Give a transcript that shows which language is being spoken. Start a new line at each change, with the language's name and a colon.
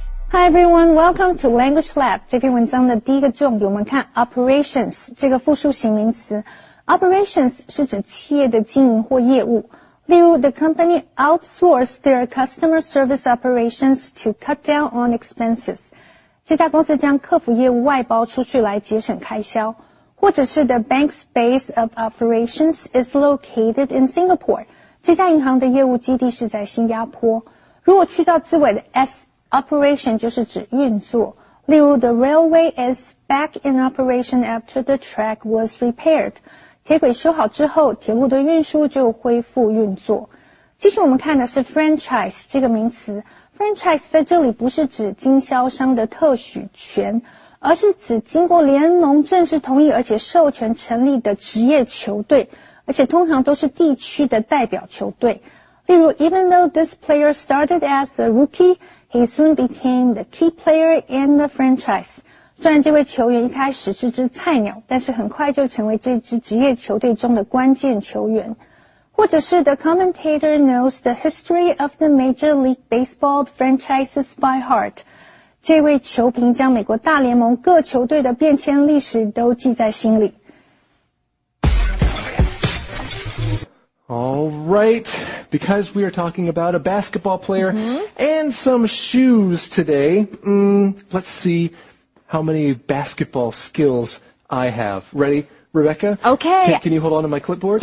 English: Hi everyone, welcome to Language Lab.
Chinese: 这篇文章的第一个重点，我们看 operations 这个复数型名词。 Operations 是指企业的经营或业务。例如
English: ,the company outsourced their customer service operations to cut down on expenses.
Chinese: 这家公司将客服业务外包出去来节省开销。或者是
English: ,the bank's base of operations is located in Singapore.
Chinese: 这家银行的业务基地是在新加坡。如果去掉字尾的 S,Operation 就是指运作。例如
English: ,the railway is back in operation after the track was repaired.
Chinese: 铁轨修好之后铁路的运输就恢复运作。继续我们看的是 franchise 这个名词。Franchise 在这里不是指经销商的特许权，而是指经过联盟正式同意而且授权成立的职业球队，而且通常都是地区的代表球队。例如
English: ,even though this player started as a rookie,He soon became the key player in the franchise.
Chinese: 虽然这位球员一开始是只菜鸟，但是很快就成为这支职业球队中的关键球员。或者是
English: The commentator knows the history of the Major League Baseball franchises by heart.
Chinese: 这位球评将美国大联盟各球队的变迁历史都记在心里。
English: All right, because we are talking about a basketball player and some shoes today, let's see how many basketball skills I have. Ready, Rebecca? Okay. Can you hold on to my clipboard?